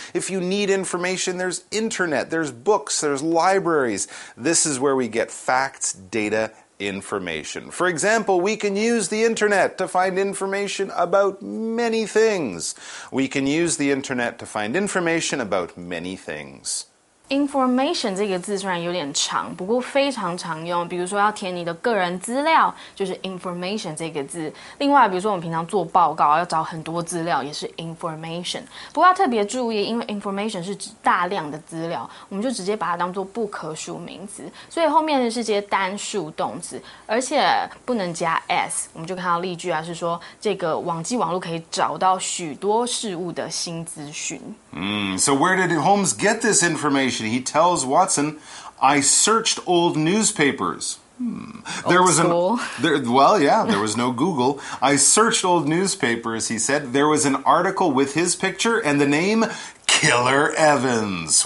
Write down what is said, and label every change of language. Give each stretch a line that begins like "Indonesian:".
English: If you need information, there's internet, there's books, there's libraries. This is where we get facts, data, information. For example, we can use the internet to find information about many things. We can use the internet to find information about many things.
Chinese: Information 这个字虽然有点长，不过非常常用。比如说要填你的个人资料，就是 information 这个字。另外，比如说我们平常做报告要找很多资料，也是 information。不过要特别注意，因为 information 是指大量的资料，我们就直接把它当做不可数名词，所以后面是接单数动词，而且不能加 s。我们就看到例句啊，是说这个网际网络可以找到许多事物的新资讯。
English: So where did Holmes get this information? He tells Watson, I searched old newspapers. There was no Google. I searched old newspapers, he said. There was an article with his picture and the name Killer Evans.